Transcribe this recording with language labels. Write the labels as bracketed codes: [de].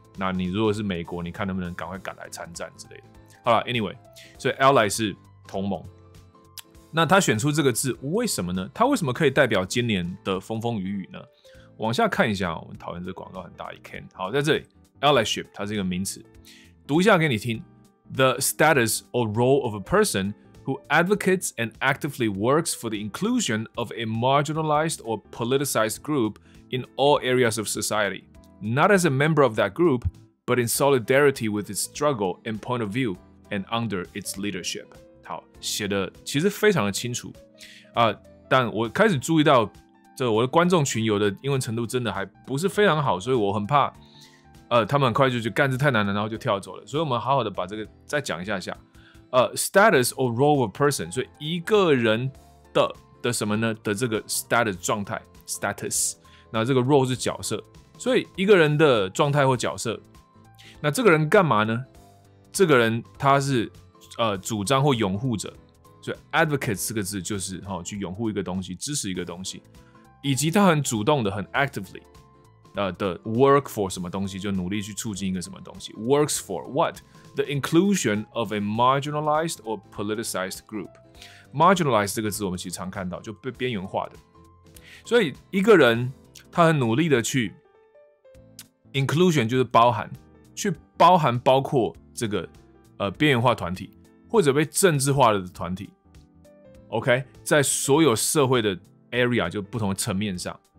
[zh] 那你如果是美国，你看能不能赶快赶来参战之类的。好了 ， [en] Anyway， [zh] 所以 ally 是同盟。那他选出这个字为什么呢？他为什么可以代表今年的风风雨雨呢？往下看一下，我们讨厌这广告很大，一 can。好，在这里 ，allyship 它是一个名词，读一下给你听。 [en] The status or role of a person who advocates and actively works for the inclusion of a marginalized or politicized group in all areas of society, not as a member of that group, but in solidarity with its struggle and point of view and under its leadership. [zh] 好，写的其实非常的清楚啊，但我开始注意到这我的观众群有的英文程度真的还不是非常好，所以我很怕。他们很快就去干这太难了，然后就跳走了。所以我们好好的把这个再讲一下下。 [en] Status or role of a person， [zh] 所以一个人的什么呢？的这个 status 状态 ，status。那这个 role 是角色，所以一个人的状态或角色。那这个人干嘛呢？这个人他是主张或拥护者，所以 advocate 四个字就是哈、哦、去拥护一个东西，支持一个东西，以及他很主动的，很 actively。 [en] The work for [zh] 什么东西，就努力去促进一个什么东西。 [en] Works for what? The inclusion of a marginalized or politicized group. [zh] Marginalized 这个字我们其实常看到，就被边缘化的。所以一个人他很努力的去 inclusion 就是包含，去包含包括这个边缘化团体或者被政治化的团体。 OK， 在所有社会的 area 就不同的层面上。